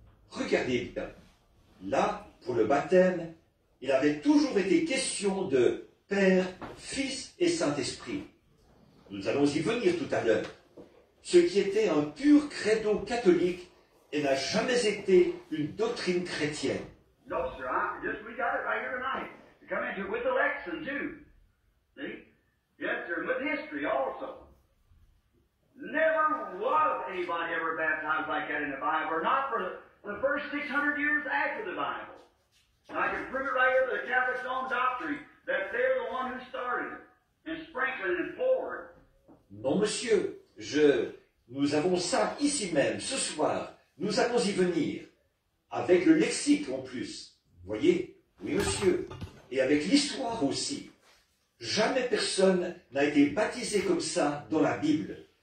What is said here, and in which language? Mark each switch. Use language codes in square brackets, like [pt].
[fr] Regardez bien, là, pour le baptême, il avait toujours été question de Père, Fils et Saint-Esprit. Nous allons y venir tout à l'heure. Ce qui était un pur credo catholique et n'a jamais été une doctrine chrétienne. [en] No, sir, we got it right here tonight. Come into with the lesson too. See? Yes, sir, with history also. Never was anybody ever baptized like that in the Bible, or not for the first 600 years after the Bible. I can prove it right here to the Catholic's own doctrine that they're the one who started and sprinkling and poured. [fr] Non, monsieur, nous avons ça ici même, ce soir. Nous allons y venir. Avec le lexique en plus. Voyez? Oui, monsieur. Et avec l'histoire aussi. Jamais personne n'a été baptisé comme ça dans la Bible.